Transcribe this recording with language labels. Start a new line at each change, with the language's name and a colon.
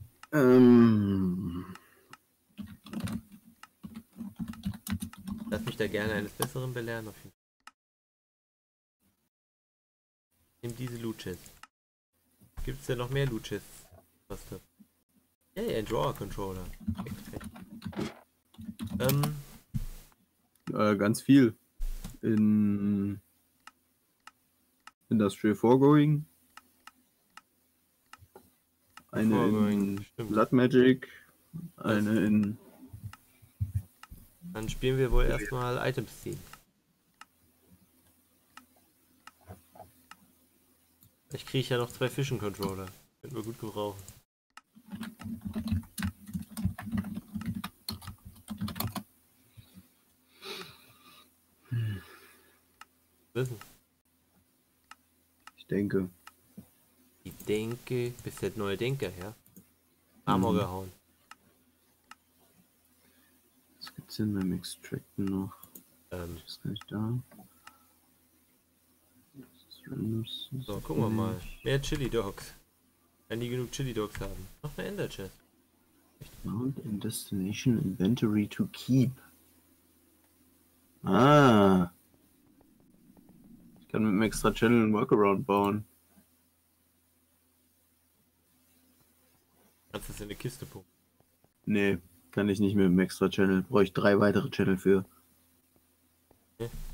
German: Lass mich da gerne eines Besseren belehren, auf jeden Fall. Nimm diese Loot-Chests. Gibt's denn noch mehr Loot-Chests? Was da? Hey, ein Drawer-Controller. Ganz viel. In Industrial Foregoing. Eine Foregoing. In Blood Magic. Eine was? In... Dann spielen wir wohl erstmal Items ziehen. Vielleicht kriege ich ja noch 2 Fission-Controller. Könnten wir gut gebrauchen. Wissen. Ich denke, bist der neue Denker, ja? Armor gehauen. Was gibt's denn beim Extracten noch? Ich weiß gar nicht da. So, gucken wir mal. Mehr Chili Dogs. Wenn die genug Chili Dogs haben. Noch eine Ender Chest.
English: Mount in Destination Inventory to keep.
German: Ich kann mit einem extra Channel einen Workaround bauen. Kannst du das in eine Kiste pumpen? Nee, kann ich nicht mit einem extra Channel. Brauche ich 3 weitere Channel für. Okay.